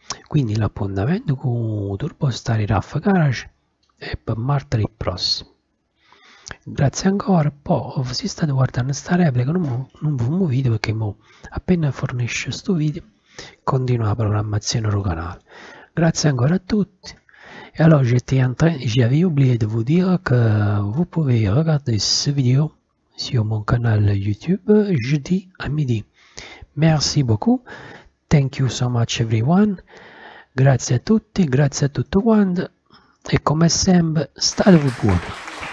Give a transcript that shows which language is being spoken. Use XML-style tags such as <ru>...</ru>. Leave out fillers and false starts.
<it>Quindi l'appuntamento con TurboStar e RAF Garage è per martedì prossimo. Grazie ancora. Poi se state guardando questa replica non vi muovete perché mo appena fornisce questo video continua la programmazione del canale. Grazie ancora a tutti. E allora</it> <fr>j'avais oublié de vous dire que vous pouvez regarder ce vidéo sur mon canal YouTube jeudi à midi. Merci beaucoup.</fr> <en>Thank you so much everyone.</en> <it>Grazie a tutti quanti. E come sempre, state voi buoni.</it>